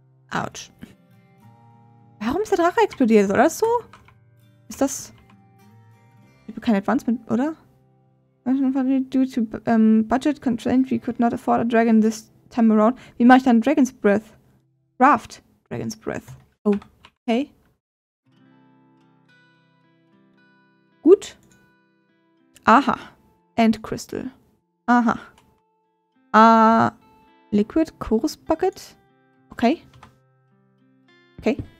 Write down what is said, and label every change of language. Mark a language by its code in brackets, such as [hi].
[de] Autsch. Warum ist der Drache explodiert? Oder so? Ist das... Ich habe kein Advancement, oder? [en] Due to budget constraint, we could not afford a dragon this time around. [de] Wie mache ich dann Dragon's Breath? [en] Craft Dragon's Breath. Oh, okay. [de] Gut. Aha. End Crystal. Aha. Liquid Chorus Bucket. Okay. Okay.